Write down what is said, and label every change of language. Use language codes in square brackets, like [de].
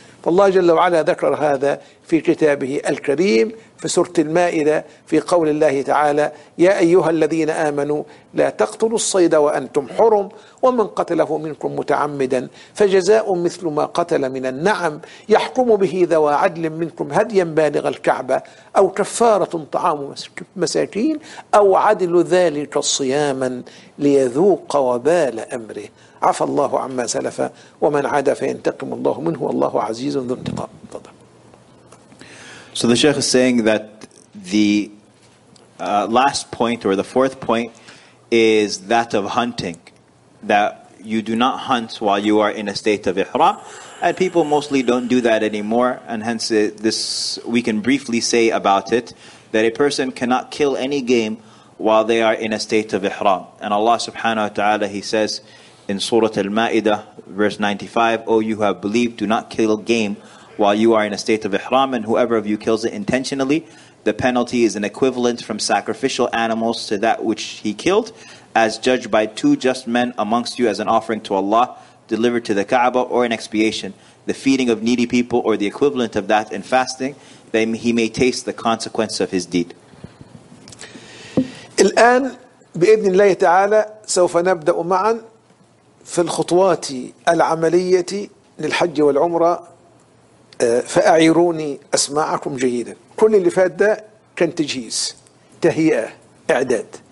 [ar] فالله جل وعلا ذكر هذا في كتابه الكريم في سورة المائدة في قول الله تعالى: يا أيها الذين آمنوا لا تقتلوا الصيد وأنتم حرم ومن قتله منكم متعمدا فجزاء مثل ما قتل من النعم يحكم به ذو عدل منكم هديا بالغ الكعبة أو كفارة طعام مساكين أو عدل ذلك صياما ليذوق وبال أمره عفى الله عما سلف ومن عاد فينتقم الله منه والله عزيز ذو انتقام. تفضل. [en] So the Sheikh is saying that the last point, or the fourth point, is that of hunting. That you do not hunt while you are in a state of ihram. And people mostly don't do that anymore. And hence this we can briefly say about it, that a person cannot kill any game while they are in a state of ihram. And Allah subhanahu wa ta'ala, He says in Surah Al-Ma'idah, verse 95, O you who have believed, do not kill game while you are in a state of ihram, and whoever of you kills it intentionally, the penalty is an equivalent from sacrificial animals to that which he killed, as judged by two just men amongst you, as an offering to Allah, delivered to the Kaaba, or an expiation, the feeding of needy people, or the equivalent of that in fasting, then he may taste the consequence of his deed. [ar] الآن بإذن الله تعالى سوف نبدأ معا في الخطوات العملية للحج والعمرة فأعيروني أسماعكم جيدا. كل اللي فات ده كان تجهيز تهيئة إعداد.